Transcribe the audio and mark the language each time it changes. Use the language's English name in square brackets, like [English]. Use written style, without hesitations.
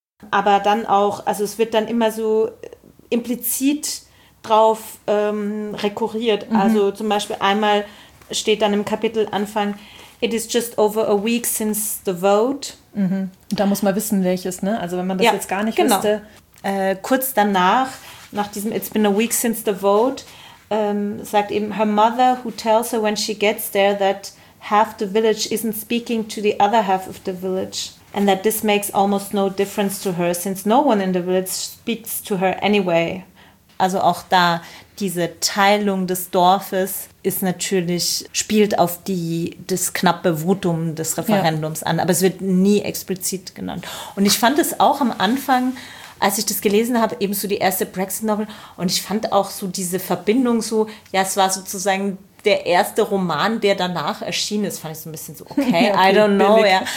[German] Aber dann auch, also es wird dann immer so implizit drauf rekurriert. Mhm. Also zum Beispiel einmal steht dann im Kapitel Anfang, [English] it is just over a week since the vote. [German] Mhm. Da muss man wissen, welches, ne? Also wenn man das jetzt gar nicht wüsste. Kurz danach, nach diesem [English] It's been a week since the vote, [German] sagt eben [English] her mother, who tells her when she gets there that half the village isn't speaking to the other half of the village and that this makes almost no difference to her since no one in the village speaks to her anyway. [German] Also auch da, diese Teilung des Dorfes ist natürlich, spielt auf das knappe Votum des Referendums an, aber es wird nie explizit genannt. Und ich fand es auch am Anfang, als ich das gelesen habe, eben so die erste Brexit-Novel und ich fand auch so diese Verbindung so, ja, es war sozusagen der erste Roman, der danach erschienen ist, fand ich so ein bisschen so, okay, [English] I don't know, [German] ja.